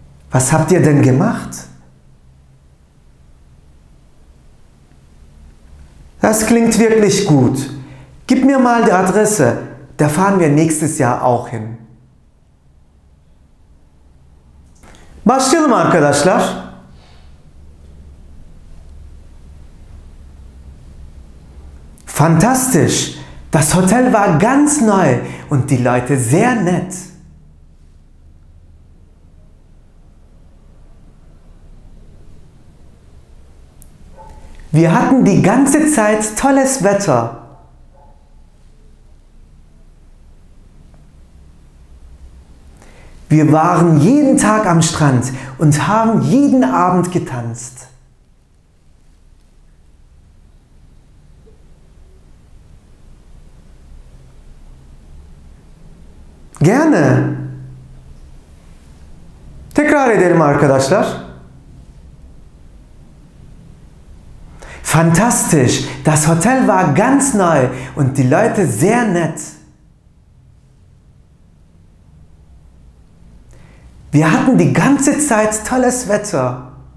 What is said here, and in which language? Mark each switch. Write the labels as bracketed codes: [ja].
[de] Was habt ihr denn gemacht? Das klingt wirklich gut. Gib mir mal die Adresse, da fahren wir nächstes Jahr auch hin. [tr] Başlayalım arkadaşlar. [de] Fantastisch. Das Hotel war ganz neu und die Leute sehr nett. Wir hatten die ganze Zeit tolles Wetter. Wir waren jeden Tag am Strand und haben jeden Abend getanzt. Gerne. [tr] Tekrar edelim arkadaşlar. [de] Fantastisch, das Hotel war ganz neu und die Leute sehr nett. Wir hatten die ganze Zeit tolles Wetter.